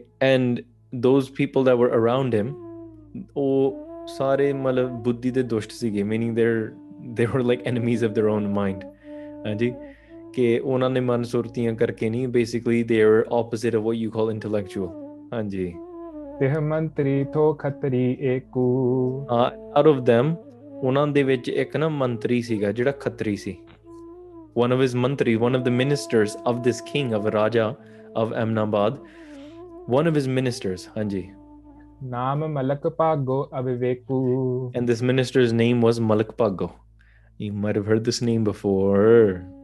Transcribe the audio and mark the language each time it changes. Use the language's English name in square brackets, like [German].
[English] And those people that were around him, oh, [Punjabi] sare matlab buddhi de dusht sige, [English] meaning they were like enemies of their own mind. Anji. [Punjabi] Ke unna ne man surtiyan karke nahi, [English] basically they were opposite of what you call intellectual. [Punjabi] Anji. ਤੇਹ ਮੰਤਰੀ ਥੋ Khatri ਏਕੂ. [English] Out of them, [Punjabi] ਉਹਨਾਂ ਦੇ ਵਿੱਚ ਇੱਕ ਨਾ ਮੰਤਰੀ ਸੀਗਾ ਜਿਹੜਾ ਖੱਤਰੀ ਸੀ. [English] One of his mantri, one of the ministers of this king, of Raja of Ahmedabad, one of his ministers, Anji. [Punjabi] ਨਾਮ ਮਲਕ Bhago ਅਵਿਵੇਕੂ. [English] And this minister's name was Malak Pago. You might have heard this name before.